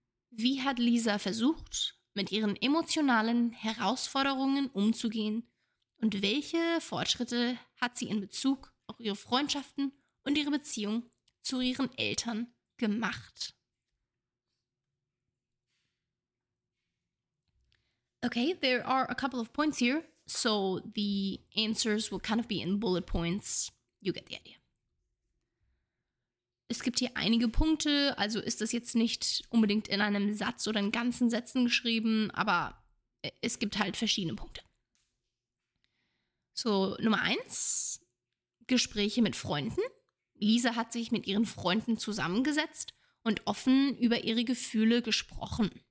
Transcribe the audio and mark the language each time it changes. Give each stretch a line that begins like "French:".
German: Wie hat Lisa versucht, mit ihren emotionalen Herausforderungen umzugehen? Und welche Fortschritte hat sie in Bezug auf ihre Freundschaften und ihre Beziehung zu ihren Eltern gemacht?
English: Okay, there are a couple of points here, so the answers will kind of be in bullet points. You get the idea.
German: Es gibt hier einige Punkte, also ist das jetzt nicht unbedingt in einem Satz oder in ganzen Sätzen geschrieben, aber es gibt halt verschiedene Punkte. So, Nummer 1, Gespräche mit Freunden. Lisa hat sich mit ihren Freunden zusammengesetzt und offen über ihre Gefühle gesprochen.